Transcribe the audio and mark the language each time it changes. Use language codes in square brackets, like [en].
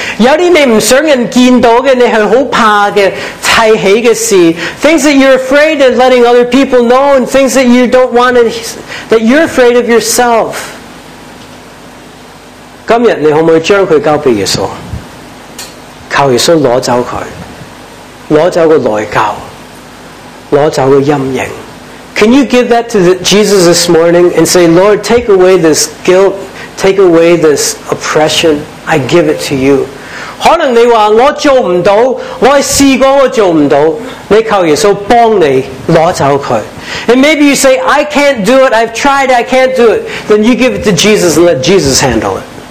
[yue] 有些你不想人见到的，你是很怕的太黑的事， [en] things that you're afraid of letting other people know, and things that you don't want to, that you're afraid of yourself. [yue] 今天你可不可以将它交给耶稣，靠耶稣拿走它，攞走个内疚，攞走个阴影。 [en] Can you give that to Jesus this morning and say, Lord, take away this guilt, take away this oppression, I give it to you. [yue] 可能你说我做不到，我试过我做不到，你求耶稣帮你攞走它。 [en] And maybe you say, I can't do it, I've tried, I can't do it. Then you give it to Jesus and let Jesus handle it.